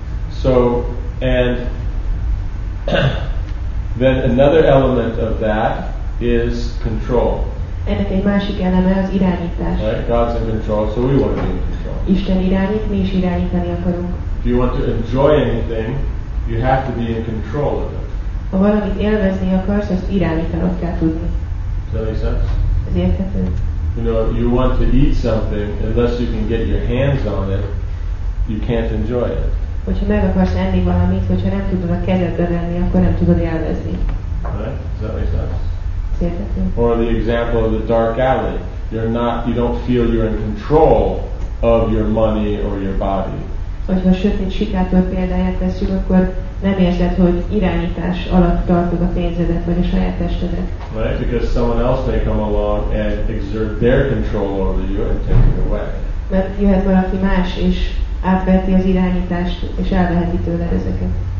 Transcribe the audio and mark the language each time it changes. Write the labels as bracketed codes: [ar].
[en] So, and then another element of that is control. [hu] Ennek egy másik eleme az irányítás. [en] Right? God's in control, so we want to be in control. [hu] Isten irányít, mi is irányítani akarunk. [en] If you want to enjoy anything, you have to be in control of it. [hu] Ha valamit élvezni akarsz, azt irányítanod kell tudni. [en] Does that make sense? [hu] Ez érthető. [en] You know, you want to eat something, unless you can get your hands on it, you can't enjoy it. [hu] Hogyha meg akarsz enni valamit, hogyha nem tudod a kezedbe venni, akkor nem tudod élvezni. [en] Right? Does that make sense? [hu] Érthető. [en] Or the example of the dark alley. You don't feel you're in control of your money or your body. [hu] Hogyha a sötét sikátor példáját veszük, akkor nem érzed, hogy irányítás alatt tartod a pénzedet, vagy a saját testedet. [en] Right? Because someone else may come along and exert their control over you and take it away. [hu] Mert jöhet valaki más, és átveheti az irányítást, és elveheti tőle ezeket.